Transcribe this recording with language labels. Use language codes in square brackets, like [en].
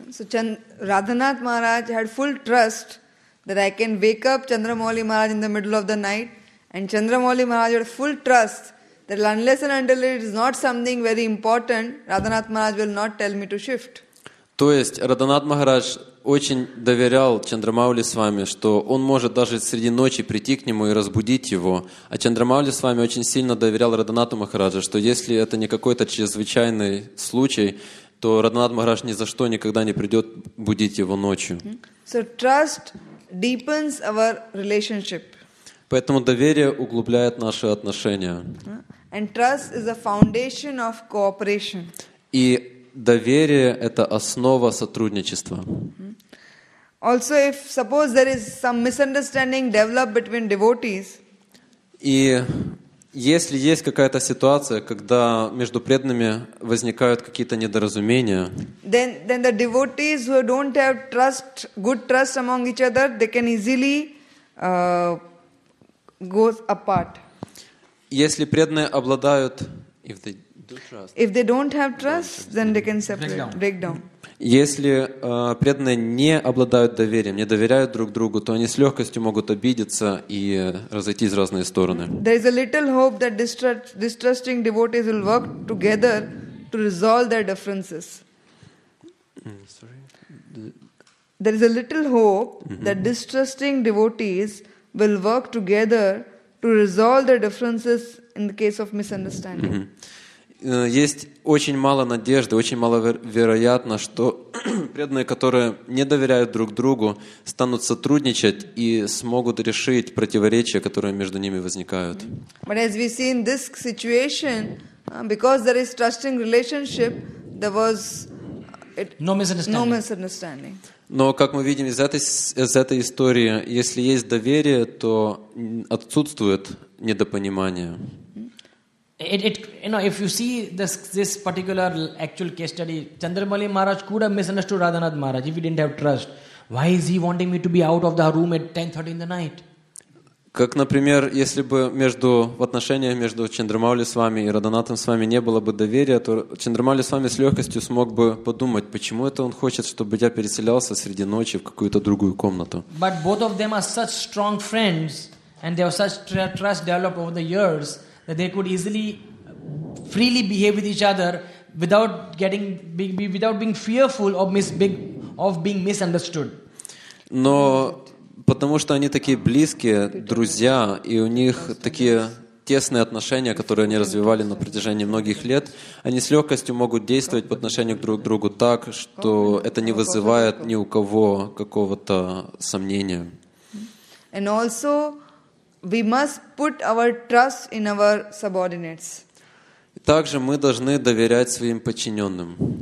[en] So Radhanath Maharaj had full trust that I can wake up Chandramouli Maharaj in the middle of the night And Chandramouli Maharaj had full trust that unless and until it is not something very important, Radhanath Maharaj will not tell me to shift. [ru] То есть Радханат Махарадж очень доверял Чандрамаули с вами, что он может даже среди ночи прийти к нему и разбудить его. А Чандрамаули с вами очень сильно доверял Радханату Махараджу, что если это не какой-то чрезвычайный случай, то Радханат Махарадж ни за что никогда не придет будить его ночью. [en] So trust deepens our relationship. [ru] Поэтому доверие углубляет наши отношения. [en] And trust is a foundation of cooperation. [ru] И доверие — это основа сотрудничества. [en] Also, if suppose there is some misunderstanding developed between devotees, [ru] и если есть какая-то ситуация, когда между преданными возникают какие-то недоразумения, [en] then the devotees who don't have trust, good trust among each other, they can easily go apart. [ru] Если преданные обладают, [en] if they don't have trust, then they can separate, break down. [ru] Если преданные не обладают доверием, не доверяют друг другу, то они с легкостью могут обидеться и разойтись в разные стороны. [en] There is a little hope that distrusting devotees will work together to resolve their differences. There is a little hope that distrusting devotees will work together to resolve their differences in the case of misunderstanding. [ru] Есть очень мало надежды, очень мало вероятно, что преданные, которые не доверяют друг другу, станут сотрудничать и смогут решить противоречия, которые между ними возникают. [en] But as we see in this situation, because there is trusting relationship, there was no misunderstanding. [ru] Но как мы видим из этой истории, если есть доверие, то отсутствует недопонимание. [en] It you know, if you see this particular actual case study, Chandramouli Maharaj could have misunderstood Radhanath Maharaj if he didn't have trust. Why is he wanting me to be out of the room at 10:30 in the night? [ru] Как, например, если бы между в отношениях между Чандрамаули с вами и Радханатом с вами не было бы доверия, то Чандрамаули с вами с легкостью смог бы подумать, почему это он хочет, чтобы я переселялся среди ночи в какую-то другую комнату. [en] But both of them are such strong friends, and they have such trust developed over the years. They could easily freely behave with each other without getting without being fearful of being misunderstood. [ru] Но потому что они такие близкие друзья и у них такие тесные отношения, которые они развивали на протяжении многих лет, они с легкостью могут действовать по отношению друг к другу так, что это не вызывает ни у кого какого-то сомнения. [en] And also we must put our trust in our subordinates. [ru] Также мы должны доверять своим подчиненным.